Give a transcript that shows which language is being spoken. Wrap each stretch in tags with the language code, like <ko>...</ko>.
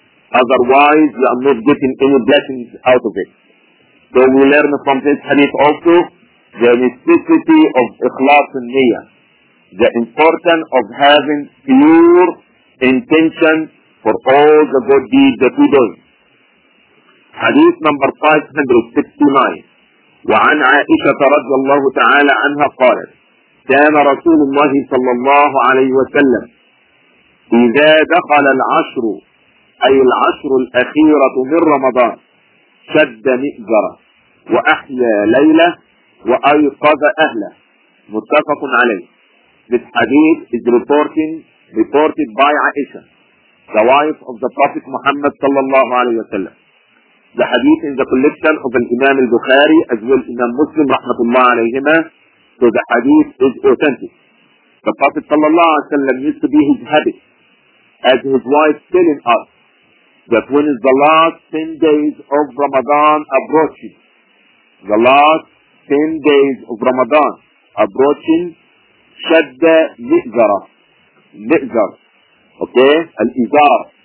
<en>Otherwise you are not getting any blessings out of it. So we learn from this hadith also the necessity of ikhlas and niyyah. The importance of having pure intention for all the good deeds that we do. Hadith number 569.</en> <ar>وعن عائشة رضي الله تعالى عنها قالت كان رسول الله صلى الله عليه وسلم إذا دخل العشر أي العشر الأخيرة من رمضان شد مئزرة وأحيا ليلة وأيقظ أهله. متفق عليه.</ar> <en>This hadith is reported by Aisha, the wife of the Prophet Muhammad sallallahu alayhi wa sallam. The hadith in the collection of Imam al-Bukhari as well Imam Muslim rahmatullah alayhima. So the hadith is authentic. The Prophet sallallahu alayhi wa sallam used to be his habit, as his wife telling us, that when is the last 10 days of Ramadan approaching, the last 10 days of Ramadan approaching,</en> <ar>shadda mi'zara.</ar> <en>Mi'zar. Okay? Al-izar.</en>